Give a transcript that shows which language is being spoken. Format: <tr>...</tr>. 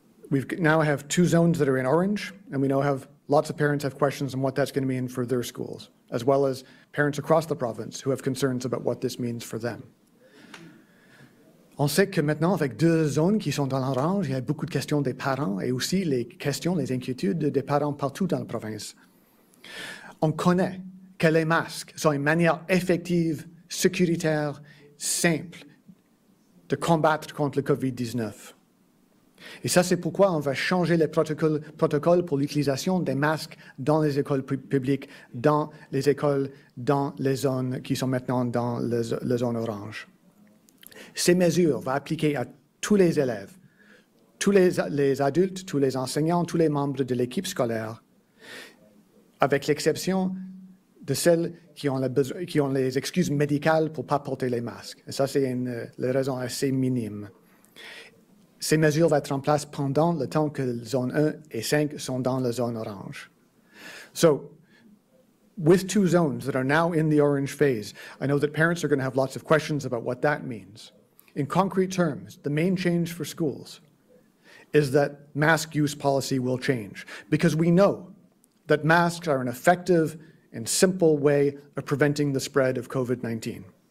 <en>We now have two zones that are in orange, and we now have lots of parents have questions on what that's going to mean for their schools, as well as parents across the province who have concerns about what this means for them.</en> <fr>On sait que maintenant, avec deux zones qui sont dans l'orange, il y a beaucoup de questions des parents et aussi les questions, les inquiétudes des parents partout dans la province. On connaît que les masques sont une manière effective, sécuritaire, simple de combattre contre le COVID-19. Et ça, c'est pourquoi on va changer les protocoles pour l'utilisation des masques dans les écoles publiques, dans les écoles, dans les zones qui sont maintenant dans la zone orange. Ces mesures vont appliquer à tous les élèves, tous les adultes, tous les enseignants, tous les membres de l'équipe scolaire, avec l'exception de celles qui ont les excuses médicales pour ne pas porter les masques. Et ça, c'est une raison assez minime. Ces mesures vont être en place pendant le temps que zone 1 et 5 sont dans la zone orange.</fr> <en>So, with two zones that are now in the orange phase, I know that parents are going to have lots of questions about what that means. In concrete terms, the main change for schools is that mask use policy will change, because we know that masks are an effective and simple way of preventing the spread of COVID-19.</en>